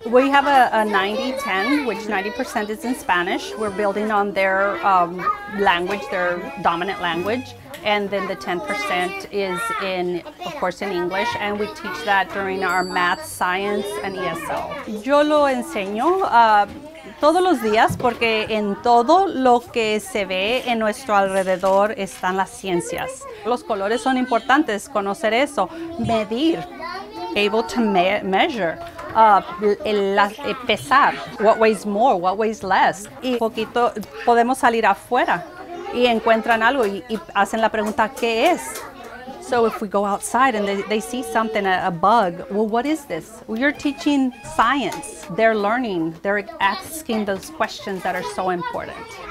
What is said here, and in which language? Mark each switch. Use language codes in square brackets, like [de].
[en] We have a 90-10, which 90% is in Spanish. We're building on their language, their dominant language. And then the 10% is in, of course, in English, and we teach that during our math, science, and ESL. [es] Yo lo enseño todos los días porque en todo lo que se ve en nuestro alrededor están las ciencias. Los colores son importantes, conocer eso, medir, [en] able to measure. Pesar, what weighs more, what weighs less. [es] Y poquito podemos salir afuera. Y encuentran algo y hacen la pregunta, ¿qué es? [en] So if we go outside and they see something, a bug, well, what is this? Well, you're teaching science. They're learning. They're asking those questions that are so important.